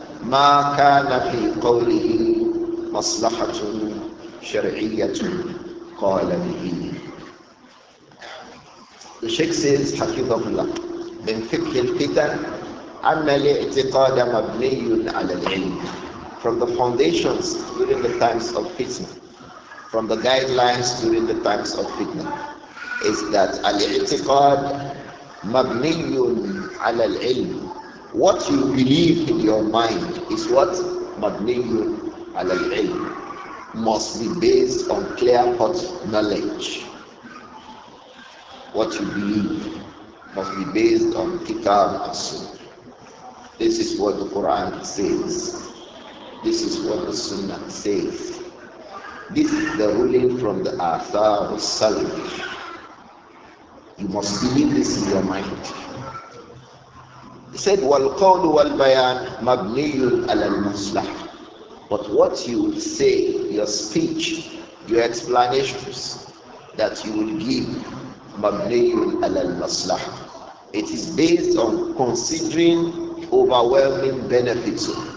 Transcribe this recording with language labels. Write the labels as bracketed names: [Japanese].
[Arabic] ما كان في قوله مصلحة شرعية قال به. [English] The Sheikh says, [Arabic] حفظه الله, من فقه الفتن أن الاعتقاد مبني على العلم. [English] From the foundations during the times of fitna, from the guidelines during the times of fitna, is that [Arabic] al-i'tiqad mabniyun ala al-ilm. [English] What you believe in your mind is what [Arabic] mabniyun ala al-ilm, [English] must be based on clear-cut knowledge. What you believe must be based on kitab as-sunnah. This is what the Quran says. This is what the Sunnah says. This is the ruling from the Athar al-Salaf. You must believe this in your mind. He said, [Arabic] وَالْقَوْلُ وَالْبَيَانُ مَبْنِيٌ عَلَى الْمَصْلَحِ. [English] But what you will say, your speech, your explanations that you will give, [Arabic] مَبْنِيٌ عَلَى الْمَصْلَحِ. [English] It is based on considering overwhelming benefits.